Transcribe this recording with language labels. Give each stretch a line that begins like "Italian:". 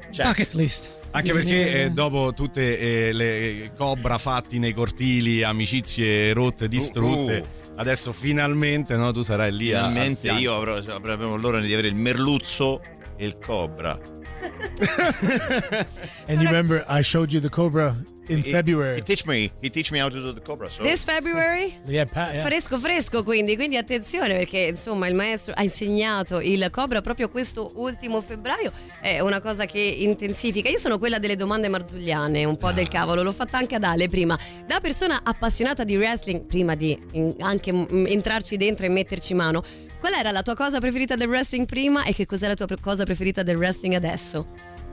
English: Bucket list.
Italian: Anche perché dopo tutte le cobra fatti nei cortili, amicizie rotte, distrutte, adesso finalmente, no, tu sarai lì. Finalmente io avrò l'ora di avere il merluzzo e il cobra.
English: And you remember I showed you the cobra in February. He teach me how to do the cobra. So. This February? Yeah, Pat, yeah.
Italian: Fresco, quindi attenzione, perché insomma il maestro ha insegnato il cobra proprio questo ultimo febbraio. È una cosa che intensifica. Io sono quella delle domande marzulliane, un po' del cavolo. L'ho fatta anche ad Ale prima. Da persona appassionata di wrestling, prima di anche entrarci dentro e metterci mano, qual era la tua cosa preferita del wrestling prima e che cos'è la tua cosa preferita del wrestling adesso?